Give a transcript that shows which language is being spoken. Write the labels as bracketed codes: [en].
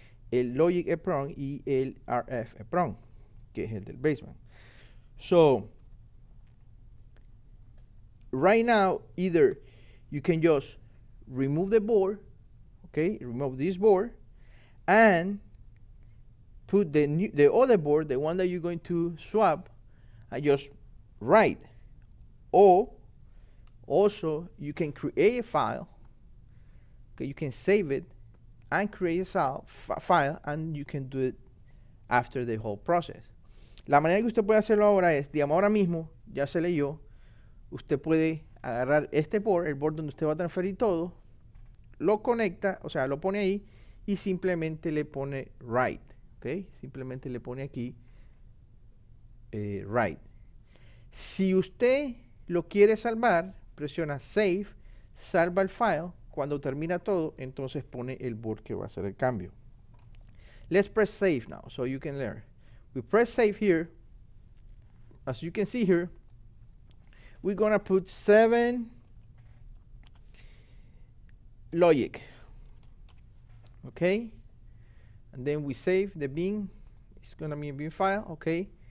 [es] El Logic EEPROM y el RF EEPROM, que es el del baseband. [en] So, right now, either you can just remove the board, okay, remove this board, and put the new, the other board, the one that you're going to swap, and just write. Or also, you can create a file, okay, you can save it, and create a file, and you can do it after the whole process. [es] La manera que usted puede hacerlo ahora es, digamos, ahora mismo, ya se leyó, usted puede agarrar este board, el board donde usted va a transferir todo, lo conecta, o sea, lo pone ahí, y simplemente le pone write, ¿ok? Simplemente le pone aquí write. Si usted lo quiere salvar, presiona save, salva el file, cuando termina todo, entonces pone el board que va a hacer el cambio. [en] Let's press save now, so you can learn. We press save here. As you can see here, we're gonna put 7 logic. Okay? And then we save the bin. It's gonna be a bin file, okay?